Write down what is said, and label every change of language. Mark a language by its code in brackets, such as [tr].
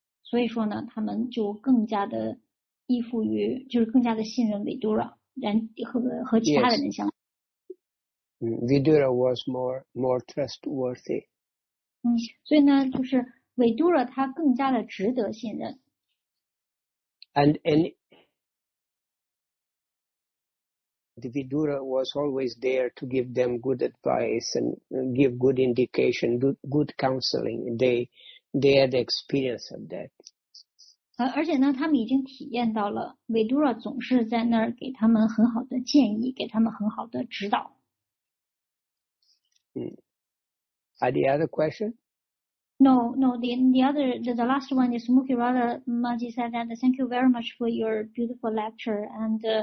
[zh] 所以说呢，他们就更加的依附于，就是更加的信任 Vidura， 和其他的人相比。 [en] Yes. Vidura was more trustworthy. [zh] 所以呢，就是维杜拉他更加的值得信任。 [en] And any Vidura was always there to give them good advice and give good indication, good counseling. They had experience of that. [zh] 而且呢，他们已经体验到了维杜拉总是在那儿给他们很好的建议，给他们很好的指导。 [en] Any other question? No, the last one is Mukhi Radha Maji said that thank you very much for your beautiful lecture and